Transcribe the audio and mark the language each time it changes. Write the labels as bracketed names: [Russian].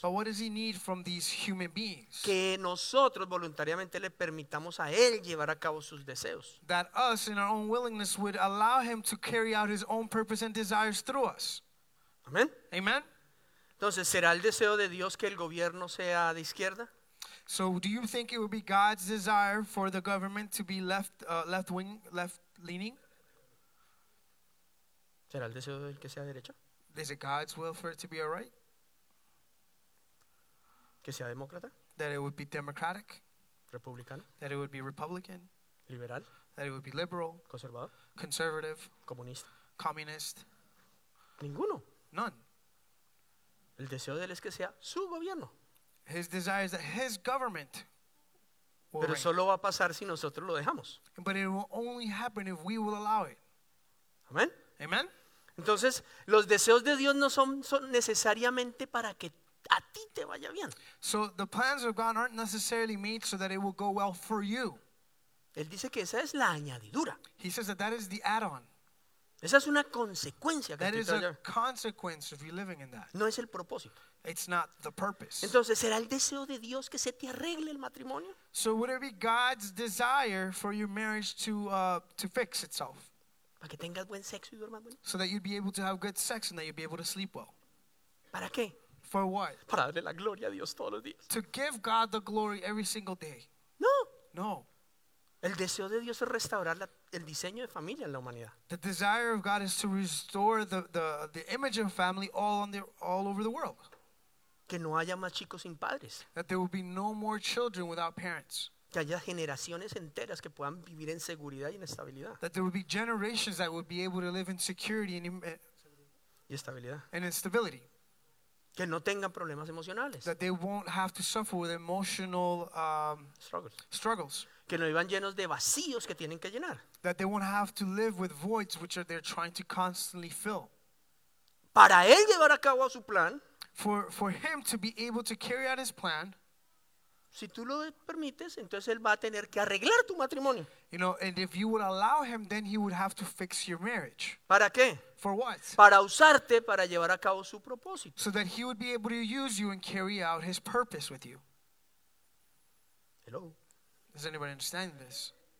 [English] But what does he need from these human beings? [Spanish] Que nosotros voluntariamente le permitamos a él llevar a cabo sus deseos. [English] That us, in our own willingness, would allow him to carry out his own purpose and desires through us. Amen. Amen. [Spanish] Entonces, ¿será el deseo de Dios que el gobierno sea de izquierda? [English] So do you think it would be God's desire for the government to be left-wing, left-leaning? [Spanish] ¿Será el deseo del que sea derecha? [English] Is it God's will for it to be a right? [Spanish] ¿Que sea demócrata? [English] That it would be democratic? [Spanish] ¿Republicano? [English] That it would be republican? [Spanish] ¿Liberal? [English] That it would be liberal? [Spanish] ¿Conservador? [English] Conservative? [Spanish] ¿Comunista? [English] Communist? [Spanish] Ninguno. [English] None. [Spanish] El deseo de él es que sea su gobierno. [English] His desire is that his government will [Spanish] Pero [English] reign. [Spanish] Solo va a pasar si nosotros lo dejamos. [English] But it will only happen if we will allow it. Amen. Amen. [Spanish] Entonces, los deseos de Dios no son necesariamente para que a ti te vaya bien. [English] So the plans of God aren't necessarily made so that it will go well for you. [Spanish] Él dice que esa es la añadidura. [English] He says that that is the add-on. [Spanish] Esa es una consecuencia que [English] That is a consequence of you living in that. [Spanish] No es el propósito. [English] It's not the purpose. [Spanish] Entonces, ¿será el deseo de Dios que se te arregle el matrimonio? [English] So would it be God's desire for your marriage to fix itself? [Spanish] Para que tengas buen sexo y duermas bien. [English] So that you'd be able to have good sex and that you'd be able to sleep well. [Spanish] ¿Para qué? [English] For what? [Spanish] Para darle la gloria a Dios todos los días. [English] To give God the glory every single day. No. No. [Spanish] El deseo de Dios es restaurar el diseño de familia en la humanidad. [English] The desire of God is to restore the image of family all over the world. [Spanish] Que no haya más chicos sin padres. [English] That there will be no more children without parents. [Spanish] Que haya generaciones enteras que puedan vivir en seguridad y en estabilidad. [English] That there would be generations that would be able to live in security [Spanish] y estabilidad. [English] And instability. [Spanish] Que no tengan problemas emocionales. [English] That they won't have to suffer with emotional struggles. [Spanish] Que no vivan llenos de vacíos que tienen que llenar. [English] That they won't have to live with voids which they're trying to constantly fill. [Spanish] Para él llevar a cabo su plan. [English] For him to be able to carry out his plan. [Spanish] Si tú lo permites, entonces él va a tener que arreglar tu matrimonio. [English] You know, and if you would allow him, then he would have to fix your marriage. [Spanish] ¿Para qué? [English] For what? [Spanish] Para usarte para llevar a cabo su propósito. [English] So that he would be able to use you and carry out his purpose with you. Hello. Does anybody understand this?